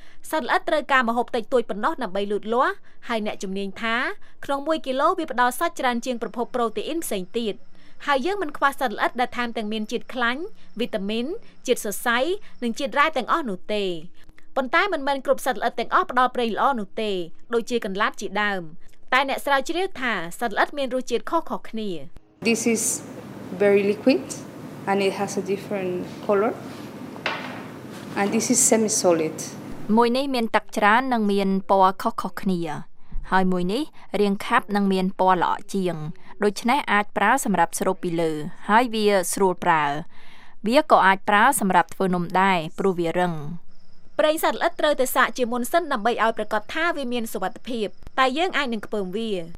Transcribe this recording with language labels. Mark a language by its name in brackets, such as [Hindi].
[Khmer] សត្វល្អិតត្រូវការម្ហូបតិចតួចប៉ុណ្ណោះដើម្បីលូតលាស់ហើយអ្នកជំនាញថាក្នុង1គីឡូវាផ្ដល់សាច់ច្រើនជាងប្រភពប្រូតេអ៊ីនផ្សេងទៀតហើយយើងមិនខ្វះសត្វល្អិតដែលថែមទាំងមានជាតិខ្លាញ់វីតាមីនជាតិសរសៃនិងជាតិរ៉ែទាំងអស់នោះទេប៉ុន្តែមិនមែនគ្រប់សត្វល្អិតទាំងអស់ផ្ដល់ប្រេងល្អនោះទេដូចជាកន្លាតជាដើមតែអ្នកស្រាវជ្រាវថាសត្វល្អិតមានរសជាតិខុសគ្នា [English] This is very liquid and it has a different color and this is semi solid [Khmer] មួយនេះមានទឹកច្រើននិងមានពណ៌ខុសគ្នាហើយមួយនេះរាងខាប់និងមានពណ៌ល្អជាងដូច្នេះអាចប្រើសម្រាប់ស្រូបពីលើហើយវាស្រួលប្រើវាក៏អាចប្រើសម្រាប់ធ្វើនំដែរព្រោះវារឹង ប្រេងសត្វល្អិតត្រូវតែសាកជាមុនសិនដើម្បីឲ្យប្រាកដថាវាមានសុវត្ថិភាពតែយើងអាចនឹងខ្ពើមវា